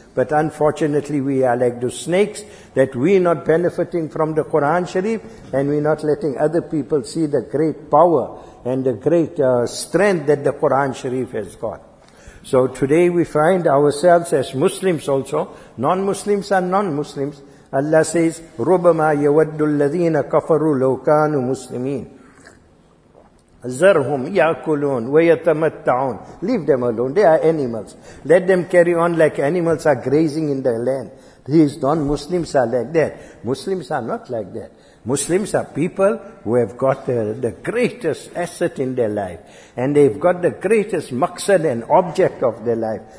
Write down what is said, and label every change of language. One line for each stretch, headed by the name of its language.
English: But unfortunately, we are like those snakes, that we're not benefiting from the Quran Sharif, and we're not letting other people see the great power and the great strength that the Quran Sharif has got. So today we find ourselves as Muslims also. Non-Muslims are non-Muslims. Allah says,
Arabic: رُبَمَا يَوَدُّ الَّذِينَ كَفَرُوا لَوْ كَانُوا مُسْلِمِينَ زَرْهُمْ يَأْكُلُونَ وَيَتَمَتَّعُونَ.
English: Leave them alone. They are animals. Let them carry on like animals are grazing in the land. These non-Muslims are like that. Muslims are not like that. Muslims are people who have got the greatest asset in their life. And they've got the greatest maqsad and object of their life.